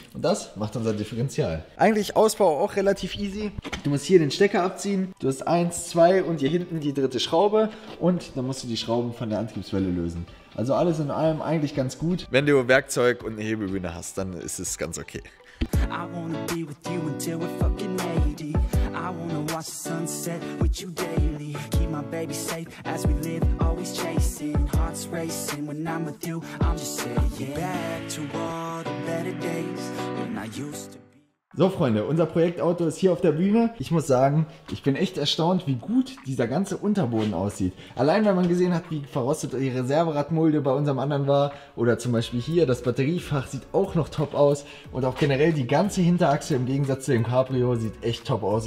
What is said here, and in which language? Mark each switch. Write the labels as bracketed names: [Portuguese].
[German] Und das macht unser Differential. Eigentlich Ausbau auch relativ easy. Du musst hier den Stecker abziehen, du hast 1, 2 und hier hinten die dritte Schraube und dann musst du die Schrauben von der Antriebswelle lösen. Also alles in allem eigentlich ganz gut. Wenn du Werkzeug und eine Hebebühne hast, dann ist es ganz okay. [English] I wanna be with you until we're fucking 80. I wanna watch the sunset with you daily. Keep my baby safe as we live, always chasing. Hearts racing when I'm with you, I'm just saying. Back to all the better days when I used to. [German] So, Freunde, unser Projektauto ist hier auf der Bühne. Ich muss sagen, ich bin echt erstaunt, wie gut dieser ganze Unterboden aussieht. Allein, wenn man gesehen hat, wie verrostet die Reserveradmulde bei unserem anderen war. Oder zum Beispiel hier, das Batteriefach sieht auch noch top aus. Und auch generell die ganze Hinterachse im Gegensatz zu dem Cabrio sieht echt top aus.